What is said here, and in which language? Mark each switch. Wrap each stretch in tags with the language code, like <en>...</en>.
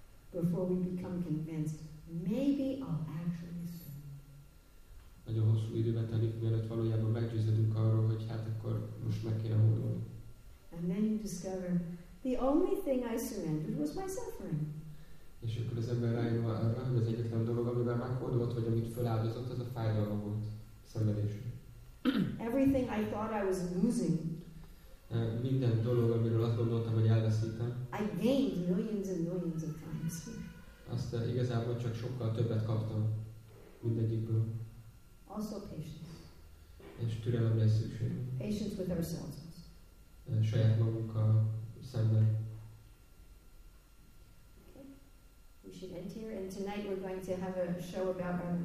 <en>Before we become convinced, maybe I'll actually sin.</en> <hu>Nagyon hosszú időbe telik, mielőtt valójában meggyőződünk arról, hogy hát akkor most meg kéne hódolni.</hu> <en>And then you discover the only thing I surrendered was my suffering.</en> <hu>És akkor az ember rájön arra, hogy az egyetlen dolog, amiben meghódolt, vagy amit feláldozott, az a fájdalma volt, szenvedés.</hu> <en>Everything I thought I was losing.</en> <hu>Minden dolog, amiről azt gondoltam, hogy elveszítem.</hu> <en>I gained millions and millions of times.</en> <hu>Azt igazából csak sokkal többet kaptam mindegyikből.</hu> <en>Also patience.</en> <hu>És türelemre is szükség.</hu> <en>Patience with ourselves.</en> <hu>Saját magunkkal szemben.</hu> <en>Okay. We should end here, and tonight we're going to have a show about</en>